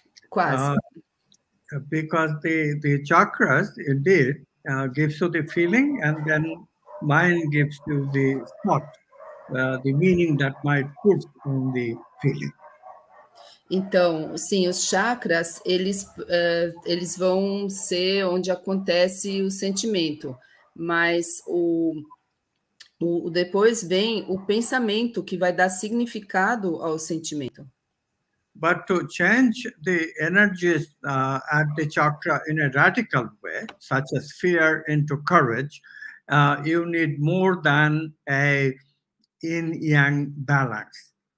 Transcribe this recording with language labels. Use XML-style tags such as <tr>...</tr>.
<pt>Quasi.</pt> <en>Because the chakras, indeed, gives you the feeling, and then mind gives you the thought, the meaning that might put in the feeling.</en> <pt>Então, sim, os chakras, eles vão ser onde acontece o sentimento, mas depois vem o pensamento que vai dar significado ao sentimento.</pt> <en>but to change the energies at the chakra in a radical way, such as fear into courage, you need more than a yin-yang balance.</en>